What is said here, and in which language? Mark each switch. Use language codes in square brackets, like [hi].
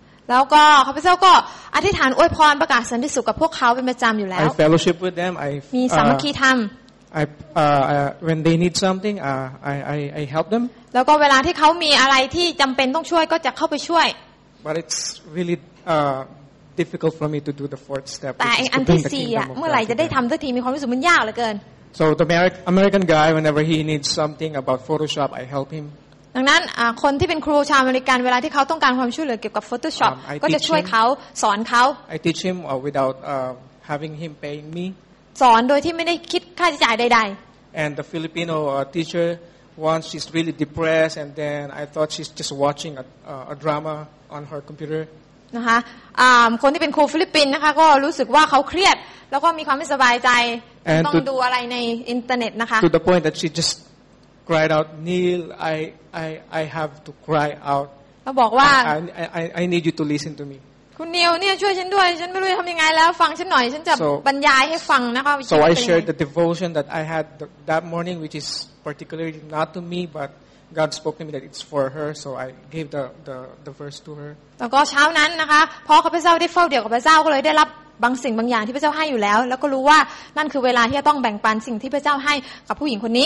[th] แล้วก็ข้าพเจ้าก็อธิษฐานอวยพรประกาศสันติสุขกับพวกเขาเป็นประจำอยู่แล้ว [en] I fellowship with them I [th] มีสามัคคีธรรม [en] I when they need something I help them [th] แล้วก็เวลาที่เขามีอะไรที่จําเป็นต้องช่วยก็จะเข้าไปช่วย [en] But it's really difficult for me to do the fourth step [th] แต่อันที่4อ่ะเมื่อไหร่จะได้ทําสักทีมีความรู้สึกมันยากเหลือเกิน [en] So the American guy whenever he needs something about Photoshop I help him [th] ดังนั้นคนที่เป็นครูชาวอเมริกันเวลาที่เขาต้องการความช่วยเหลือเกี่ยวกับ Photoshop ก็จะช่วยเขาสอนเขา [en] I teach him without having him paying me [th] สอนโดยที่ไม่ได้คิดค่าใช้จ่ายใดๆ [en] And the Filipino teacher once she's really depressed and then I thought she's just watching a drama on her computer [th] นะคะคนที่เป็นครูฟิลิปปินส์นะคะก็รู้สึกว่าเขาเครียดแล้วก็มีความไม่สบายใจต้องดูอะไรในอินเทอร์เน็ตนะคะ [en] To the point that she just cried out Neil I have to cry out [th] แล้วบอกว่า [en] I need you to listen to me [th] คุณนิวเนี่ยช่วยฉันด้วยฉันไม่รู้จะทำยังไงแล้วฟังฉันหน่อยฉันจะบรรยายให้ฟังนะคะ [en] So I shared the devotion that I had that morning which is particularly not to me but God spoke to me that it's for her so I gave the verse to her [th] แล้วก็เช้านั้นนะคะพอข้าพเจ้าได้เฝ้าเดี่ยวกับพระเจ้าก็เลยได้รับบางสิ่งบางอย่างที่พระเจ้าให้อยู่แล้วแล้วก็รู้ว่านั่นคือเวลาที่จะต้องแบ่งปันสิ่งที่พระเจ้าให้กับผู้หญิงคนนี